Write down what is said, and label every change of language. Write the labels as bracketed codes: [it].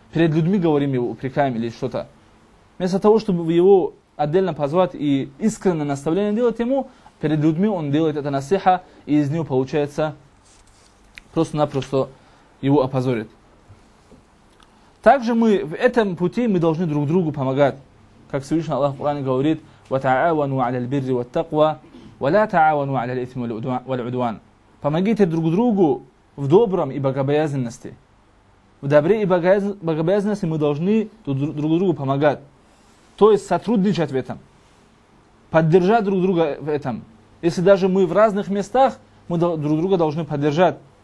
[ru] Перед людьми говорим его, упрекаем или что-то. Вместо того, чтобы его отдельно позвать и искренне наставление делать ему, перед людьми он делает это насиха, и из него получается просто-напросто его опозорит. Также мы в этом пути мы должны друг другу помогать. Как Всевышний Аллах в Коране говорит: [ar] وَتَعَاوَنُوا عَلَى الْبِرِّ وَالتَّقْوَى وَلَا تَعَاوَنُوا عَلَى الْإِثْمِ وَالْعُدْوَانِ. [ru] Помогите друг другу в добром и богобоязненности. В добре и богобоязненности мы должны друг другу помогать. То есть сотрудничать в этом. Поддержать друг друга в этом. Если даже мы в разных местах, мы друг друга должны поддержать.